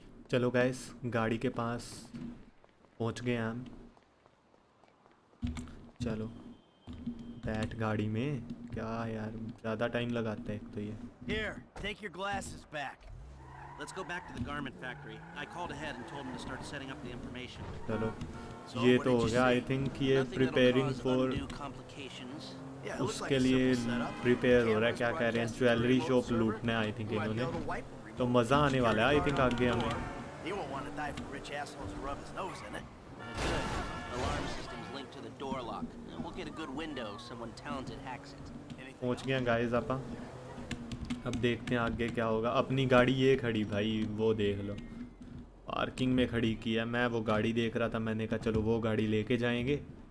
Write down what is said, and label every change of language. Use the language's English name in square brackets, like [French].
[Hindi] चलो गाइस गाड़ी के पास पहुंच गए हम। चलो बैठ गाड़ी में। क्या यार ज्यादा टाइम लगाते हैं एक तो ये। [English] Here, take your glasses back. Let's go back to the garment factory. I called ahead and told them to start setting up the information. [Hindi] चलो ये तो हो गया। [English] I think [Hindi] ये [English] preparing for [Hindi] उसके लिए prepare हो रहा है। क्या कह रहे हैं ज्वेलरी शॉप लूटने I think इन्होंने। तो मजा आने वाला है [English] I think [Hindi] आगे हमें। [English] He won't want to die for rich assholes to rub his nose in it. Alarm system's linked to the door lock. We'll get a good window if someone talented hacks it. [Hindi] पहुंच गए guys आपा। अब देखते हैं आगे क्या होगा। अपनी गाड़ी ये खड़ी भाई वो देख लो पार्किंग में खड़ी की है। मैं वो गाड़ी देख रहा था मैंने कहा चलो वो गाड़ी लेके जाएंगे।